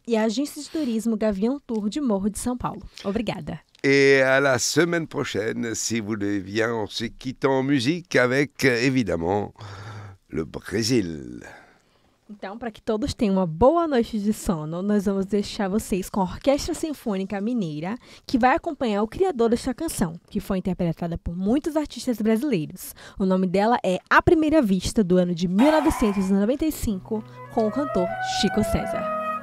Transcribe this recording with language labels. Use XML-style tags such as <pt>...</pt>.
<pt>E a Agência de Turismo Gavião Tour de Morro de São Paulo. Obrigada.</pt> <fr>Et à la semaine prochaine, si vous le voulez, on se quitte en musique avec, évidemment, le Brésil.</fr> <pt>Então, para que todos tenham uma boa noite de sono, nós vamos deixar vocês com a Orquestra Sinfônica Mineira, que vai acompanhar o criador desta canção, que foi interpretada por muitos artistas brasileiros. O nome dela é A Primeira Vista, do ano de 1995, com o cantor Chico César.</pt>